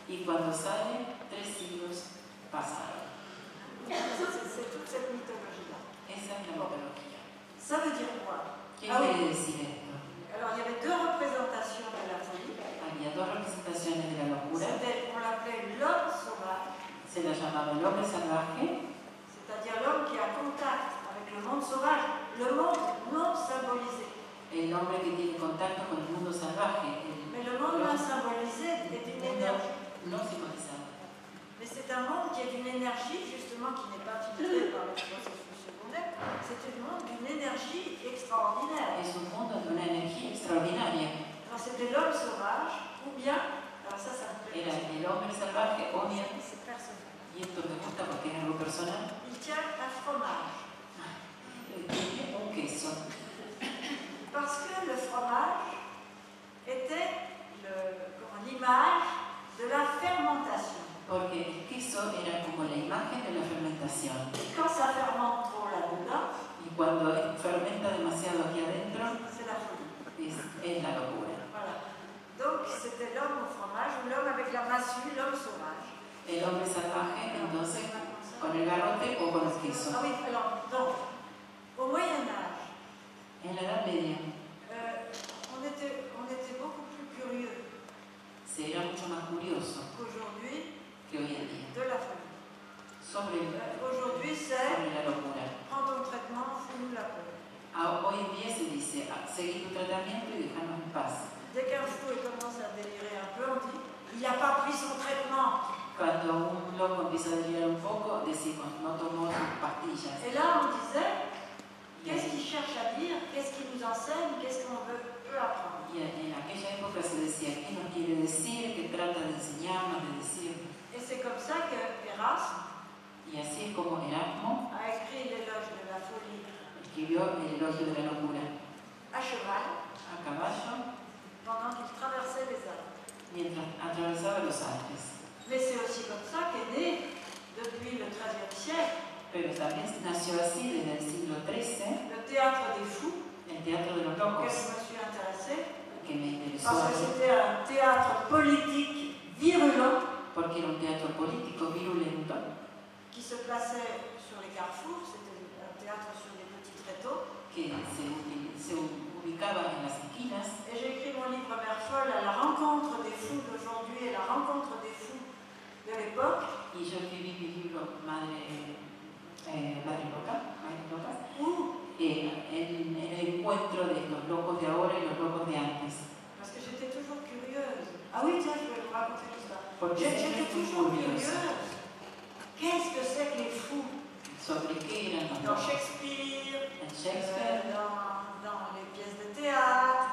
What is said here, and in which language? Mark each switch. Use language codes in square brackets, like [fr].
[fr] C'est toute cette mythologie-là. Ça veut dire quoi? Alors, il y avait deux représentations de la folie. On l'appelait l'homme sauvage. [es] Se la llamaba el hombre salvaje. [fr] C'est-à-dire l'homme qui a contact avec le monde sauvage, le monde non symbolisé. [es] El hombre que tiene contacto con el mundo salvaje. [fr] Mais le monde non symbolisé est d'une énergie. Non symbolisable. Mais c'est un monde qui est d'une énergie, justement, qui n'est pas filtrée par le processus secondaire. C'est un monde d'une énergie extraordinaire. [es] Es un mundo de una energía extraordinaria. [fr] Alors c'était l'homme sauvage, ou bien, alors ça me plaît. [es] El hombre salvaje, o bien. [fr] C'est personnel. [es] Y esto me gusta porque es algo personal. [fr] Il tient un fromage. [es] Un queso. [fr] Parce que le fromage était l'image de la fermentation. [es] Porque el queso era como la imagen de la fermentación. [fr] Et quand ça fermente trop là-dedans, [es] y cuando fermenta demasiado aquí adentro, [fr] c'est la folie. [es] Es la locura. [fr] Voilà. Donc c'était l'homme au fromage, ou l'homme avec la massue, l'homme sauvage. [es] El hombre salvaje, entonces, con el garrote o con el queso. [fr] Ah oui, alors, donc, au Moyen-Âge, [es] en la Edad Media, [fr] on était beaucoup plus curieux. [es] Se era mucho más curioso. [fr] Qu'aujourd'hui, [es] que hoy en día. [fr] De la folie. [es] Sobre [fr] aujourd'hui, c'est [es] sobre la locura. [fr] Prendre un traitement, fous-nous la peur. [es] Hoy en día se dice, seguir tu tratamiento y dejarnos en paz. [fr] Dès qu'un fou commence à délirer un peu, on dit, il n'a pas pris son traitement. [es] Cuando un loco empieza a delirar un poco, decimos, no tomó sus pastillas. [fr] Et là, on disait, qu'est-ce qu'il cherche à dire, qu'est-ce qu'il nous enseigne, qu'est-ce qu'on veut apprendre. [es] Y en aquella época se decía, ¿qué nos quiere decir, qué trata de enseñarnos, de decir? [fr] Et c'est comme ça que Erasme, [es] y así es como Erasmo, [fr] a écrit l'éloge de la folie. [es] Escribió el elogio de la locura. [fr] A cheval. [es] A caballo. [fr] Pendant qu'il traversait les Alpes. [es] Mientras atravesaba los Alpes. [fr] Mais c'est aussi comme ça qu'est né depuis le XIIIe siècle. [es] Pero también nació así desde el siglo XIII. [fr] Le théâtre des fous. [es] El teatro de los locos. [fr] Que je me suis intéressé. [es] Que me intéressó. [fr] Parce que c'était un théâtre politique virulent. [es] Porque era un teatro político virulento. [fr] Qui se plaçait sur les carrefours. C'était un théâtre sur les [es] que se ubicaba en las esquinas. [fr] Et j'ai écrit mon livre Mère folle à la rencontre des fous d'aujourd'hui et la rencontre des fous de l'époque. [es] Y yo escribí mi libro Madre loca, en el encuentro de los locos de ahora y los locos de antes. [fr] Parce que j'étais toujours curieuse. Ah oui, tiens, je vais vous raconter tout ça. J'étais toujours curieuse. Qu'est-ce que c'est que les fous? [es] Sobre qué eran los locos. Shakespeare. [fr] Shakespeare, dans les pièces de théâtre,